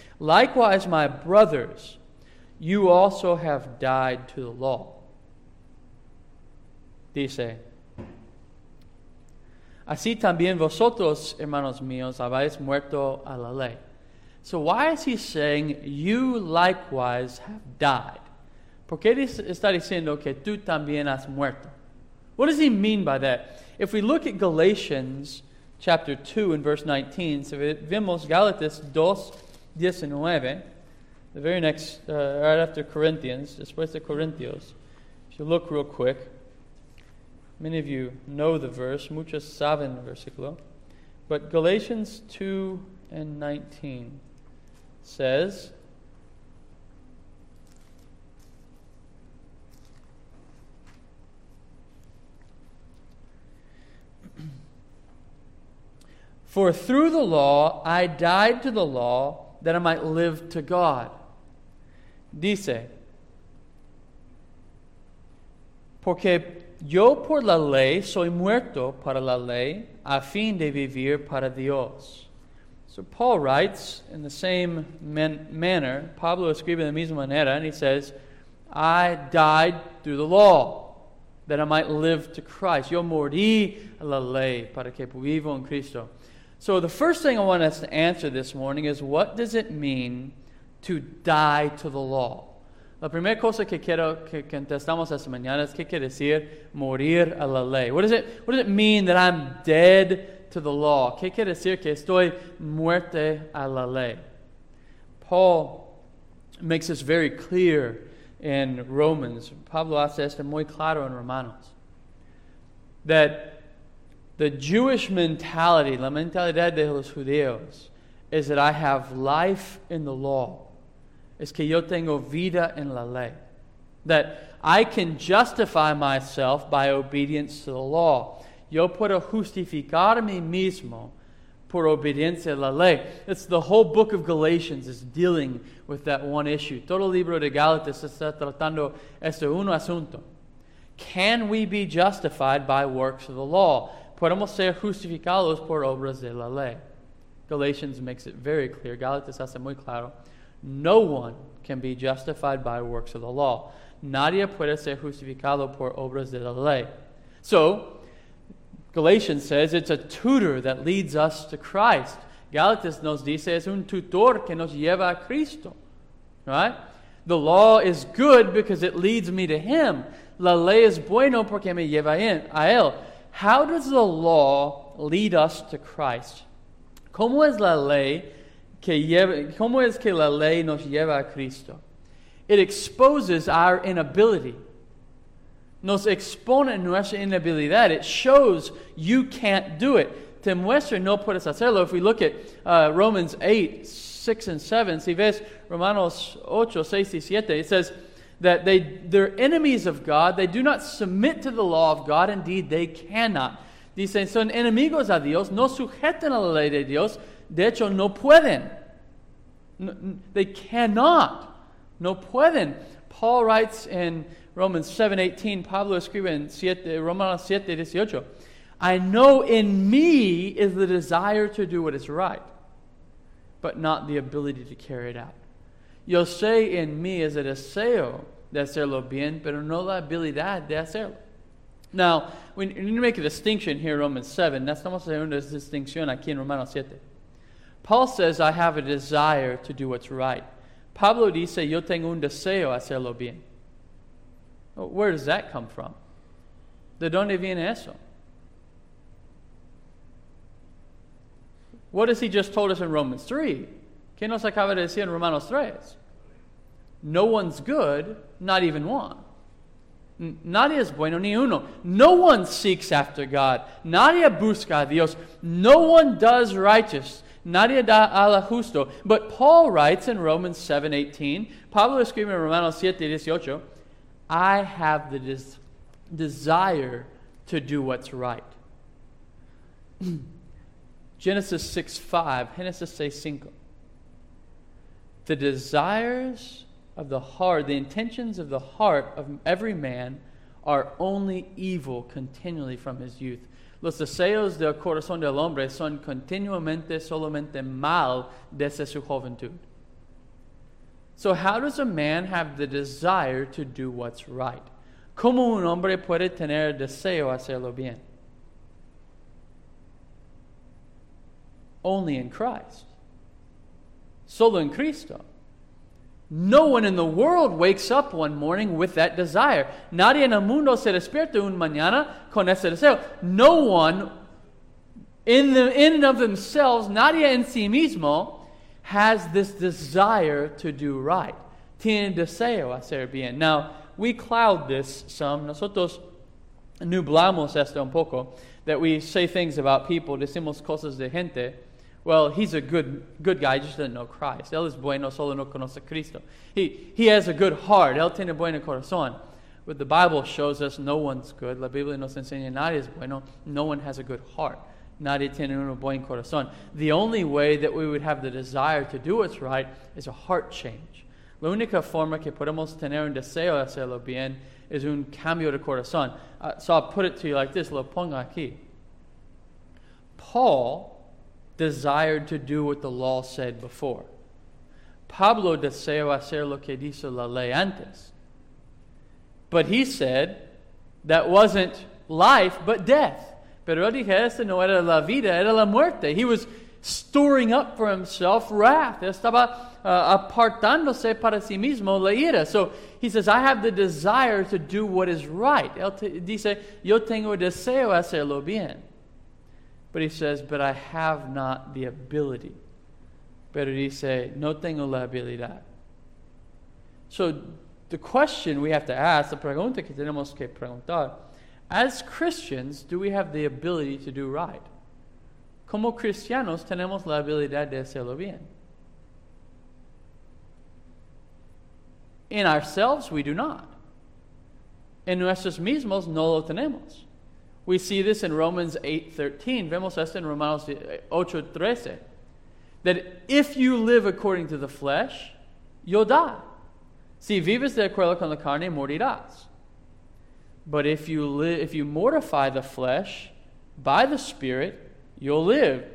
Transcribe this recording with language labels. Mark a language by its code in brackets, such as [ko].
[en] Likewise, my brothers, you also have died to the law. [es] Dice, así también vosotros, hermanos míos, habéis muerto a la ley. [en] So why is he saying, you likewise have died? [es] ¿Por qué está diciendo que tú también has muerto? [en] What does he mean by that? If we look at Galatians chapter 2 and verse 19, [es] so vemos Galatas 2, 19, [en] the very next, right after Corinthians, [es] después de Corintios, [en] if you look real quick, many of you know the verse, [es] muchos saben el versículo, [en] but Galatians 2 and 19 says, for through the law, I died to the law that I might live to God. [es] Dice, porque yo por la ley soy muerto para la ley a fin de vivir para Dios. [en] So Paul writes in the same manner, [es] Pablo escribe de la misma manera, [en] and he says, I died through the law that I might live to Christ. [es] Yo morí a la ley para que vivo en Cristo. [en] So the first thing I want us to answer this morning is, what does it mean to die to the law? [es] La primera cosa que quiero que contestamos esta mañana es qué quiere decir morir a la ley. [en] What does it mean that I'm dead to the law? [es] ¿Qué quiere decir que estoy muerte a la ley? [en] Paul makes this very clear in Romans. [es] Pablo hace esto muy claro en Romanos. [en] That the Jewish mentality, [es] la mentalidad de los judíos, [en] is that I have life in the law. [es] Es que yo tengo vida en la ley. [en] That I can justify myself by obedience to the law. [es] Yo puedo justificarme mismo por obediencia a la ley. [en] It's the whole book of Galatians is dealing with that one issue. [es] Todo el libro de Gálatas está tratando este uno asunto. [en] Can we be justified by works of the law? [es] Podemos ser justificados por obras de la ley. [en] Galatians makes it very clear. [es] Gálatas hace muy claro. [en] No one can be justified by works of the law. [es] Nadie puede ser justificado por obras de la ley. [en] So, Galatians says it's a tutor that leads us to Christ. [es] Galatians nos dice es un tutor que nos lleva a Cristo. [en] Right? The law is good because it leads me to Him. [es] La ley es bueno porque me lleva a Él. [en] How does the law lead us to Christ? [es] ¿Cómo es la ley? ¿Cómo es que la ley nos lleva a Cristo? [en] It exposes our inability. [es] Nos expone nuestra inabilidad. [en] It shows you can't do it. [es] Te muestra no puedes hacerlo. [en] If we look at Romans 8, 6 and 7, [es] si ves Romanos 8, 6 y 7, [en] it says that they're enemies of God. They do not submit to the law of God. Indeed, they cannot. [es] Dicen, son enemigos a Dios. No sujetan a la ley de Dios. De hecho, no pueden. [en] They cannot. [es] No pueden. [en] Paul writes in Romans 7:18. [es] Pablo escribe en Romanos 7:18. [en] I know in me is the desire to do what is right, but not the ability to carry it out. [es] Yo sé en mí es el deseo de hacerlo bien, pero no la habilidad de hacerlo. [en] Now, we need to make a distinction here in Romans 7. [es] Necesitamos hacer una distinción aquí en Romanos 7. [en] Paul says, I have a desire to do what's right. [es] Pablo dice, yo tengo un deseo hacerlo bien. [en] Where does that come from? [es] ¿De dónde viene eso? [en] What has he just told us in Romans 3? [es] ¿Qué nos acaba de decir en Romanos 3? [en] No one's good, not even one. [es] Nadie es bueno, ni uno. [en] No one seeks after God. [es] Nadie busca a Dios. [en] No one does righteous. [es] Nadie da a la justo. [en] But Paul writes in Romans 7:18, [es] Pablo escribe en Romanos 7:18, [en] I have the desire to do what's right. Genesis 6:5. The desires of the heart, the intentions of the heart of every man are only evil continually from his youth. [es] Los deseos del corazón del hombre son continuamente solamente mal desde su juventud. [en] So how does a man have the desire to do what's right? [es] ¿Cómo un hombre puede tener deseo hacerlo bien? [en] Only in Christ. [es] Solo en Cristo. [en] No one in the world wakes up one morning with that desire. [es] Nadie en el mundo se despierta un mañana con ese deseo. [en] No one in and of themselves, [es] nadie en sí mismo, [en] has this desire to do right. [es] Tiene deseo hacer bien. [en] Now, we cloud this some. [es] Nosotros nublamos esto un poco, [en] that we say things about people, [es] decimos cosas de gente. [en] Well, he's a good guy, he just doesn't know Christ. [es] Él es bueno, solo no conoce a Cristo. [en] He has a good heart. [es] Él tiene buen corazón. [en] But the Bible shows us no one's good. [es] La Biblia nos enseña nadie es bueno. [en] No one has a good heart. [es] Nadie tiene un buen corazón. [en] The only way that we would have the desire to do what's right is a heart change. [es] La única forma que podemos tener un deseo de hacerlo bien es un cambio de corazón. [en] So I'll put it to you like this. [es] Lo pongo aquí. [en] Paul desired to do what the law said before. [es] Pablo deseó hacer lo que dice la ley antes. [en] But he said, that wasn't life, but death. [es] Pero él dijo, esto no era la vida, era la muerte. [en] He was storing up for himself wrath. [es] Estaba apartándose para sí mismo la ira. [en] So he says, I have the desire to do what is right. [es] Él dice, yo tengo deseo hacerlo bien. [en] But he says, but I have not the ability. [es] Pero dice, no tengo la habilidad. [en] So the question we have to ask, [es] la pregunta que tenemos que preguntar, [en] as Christians, do we have the ability to do right? [es] Como cristianos, tenemos la habilidad de hacerlo bien. [en] In ourselves, we do not. [es] En nuestros mismos, no lo tenemos. [en] We see this in Romans 8:13. [es] Vemos esto en Romanos 8:13. [en] That if you live according to the flesh, you'll die. [es] Si vives de acuerdo con la carne, morirás. [en] But if you mortify the flesh by the Spirit, you'll live.